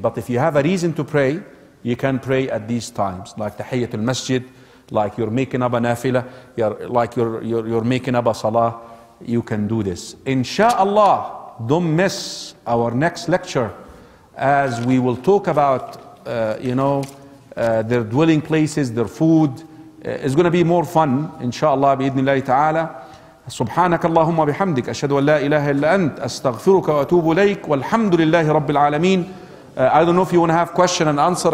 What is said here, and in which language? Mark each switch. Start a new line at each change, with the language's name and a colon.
English: But if you have a reason to pray, you can pray at these times, like tahiyyat al-masjid, like you're making up a nafila, you're making up a salah, you can do this. Insha'Allah, don't miss our next lecture, as we will talk about, their dwelling places, their food. It's going to be more fun, insha'Allah, bi-idhnillahi ta'ala.
Arabic: سبحانك اللهم وبحمدك أشهد أن لا إله إلا أنت أستغفرك وأتوب إليك والحمد لله رب العالمين.
English: I don't know if you want to have question and answer.